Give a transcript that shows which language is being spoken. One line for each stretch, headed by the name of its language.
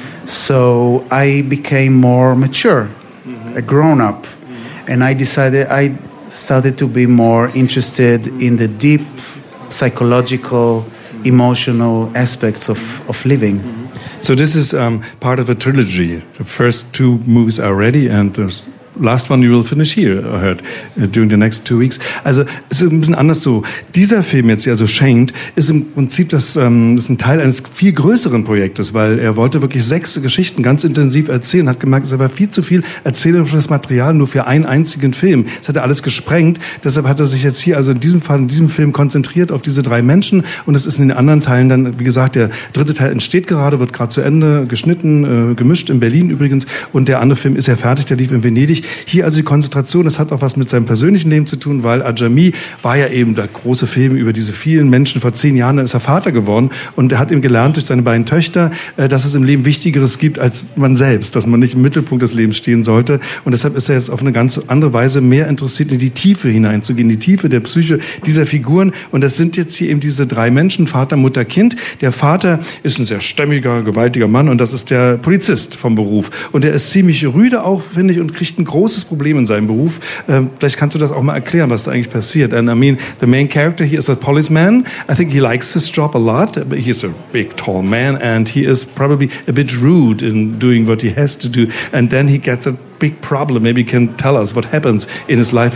English: So I became more mature, a grown-up, and I started to be more interested in the deep psychological, emotional aspects of living. So this is part of a trilogy. The first two movies are ready, and the last one you will finish here, I heard, during the next 2 weeks.
German: Also, es ist ein bisschen anders so. Dieser Film jetzt, also Chained, ist im Prinzip ist ein Teil eines viel größeren Projektes, weil er wollte wirklich sechs Geschichten ganz intensiv erzählen, hat gemerkt, es war viel zu viel erzählerisches Material nur für einen einzigen Film. Das hat er alles gesprengt. Deshalb hat er sich jetzt hier, also in diesem Film konzentriert auf diese drei Menschen. Und es ist in den anderen Teilen dann, wie gesagt, der dritte Teil entsteht gerade, wird gerade zu Ende geschnitten, gemischt in Berlin übrigens. Und der andere Film ist ja fertig, der lief in Venedig. Hier also die Konzentration, das hat auch was mit seinem persönlichen Leben zu tun, weil Ajami war ja eben der große Film über diese vielen Menschen. Vor 10 Jahren ist er Vater geworden und er hat eben gelernt durch seine beiden Töchter, dass es im Leben Wichtigeres gibt als man selbst, dass man nicht im Mittelpunkt des Lebens stehen sollte. Und deshalb ist er jetzt auf eine ganz andere Weise mehr interessiert, in die Tiefe hineinzugehen, die Tiefe der Psyche dieser Figuren. Und das sind jetzt hier eben diese drei Menschen, Vater, Mutter, Kind. Der Vater ist ein sehr stämmiger, gewaltiger Mann und das ist der Polizist vom Beruf. Und er ist ziemlich rüde auch, finde ich, und kriegt ein großes Problem in seinem Beruf. Vielleicht kannst du das auch mal erklären, was da eigentlich passiert.
English: And I mean, the main character, he is a policeman. I think he likes his job a lot. He's a big, tall man, and he is probably a bit rude in doing what he has to do. And then he gets a big problem. Maybe you can tell us what happens in his life.